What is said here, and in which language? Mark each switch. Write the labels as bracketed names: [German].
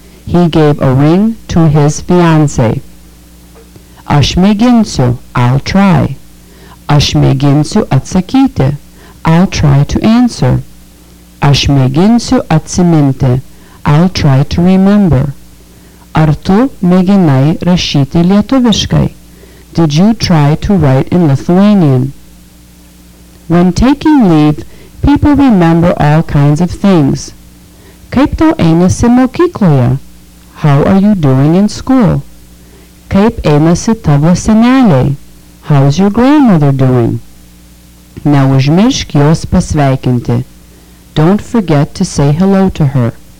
[English] He gave a ring to his fiancé. [Lithuanian] Aš mėginsiu, [English] I'll try. [Lithuanian] Aš mėginsiu atsakyti, [English] I'll try to answer. [Lithuanian] Aš mėginsiu atsiminti, [English] I'll try to remember. [Lithuanian] Ar tu mėginai rašyti lietuviškai? [English] Did you try to write in Lithuanian? When taking leave, people remember all kinds of things. [Lithuanian] Kaip tau einasi mokykloje? [English] How are you doing in school? [Lithuanian] Kaip einasi tavo senelė? [English] How's your grandmother doing? [Lithuanian] Neužmiršk jos pasveikinti. [English] Don't forget to say hello to her.